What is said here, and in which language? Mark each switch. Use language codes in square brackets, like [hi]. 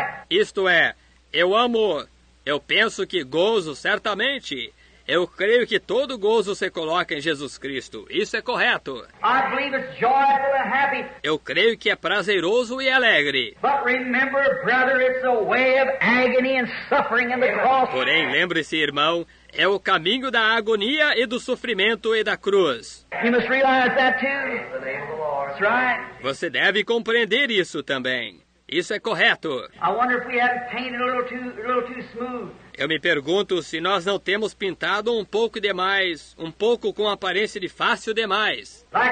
[pt] Isto é, eu amo, eu penso que gozo certamente. Eu creio que todo gozo se coloca em Jesus Cristo. Isso é correto. [en] I believe it's joyful and happy. [pt] Eu creio que é prazeroso e alegre. [en] But remember, brother, it's a way of agony and suffering in the cross. [pt] Porém, lembre-se, irmão, é o caminho da agonia e do sofrimento e da cruz. [en] You must realize that too. That's right. [pt] Você deve compreender isso também. Isso é correto. [en] I wonder if we haven't painted a little too smooth. [pt] Eu me pergunto se nós não temos pintado um pouco demais, um pouco com aparência de fácil demais.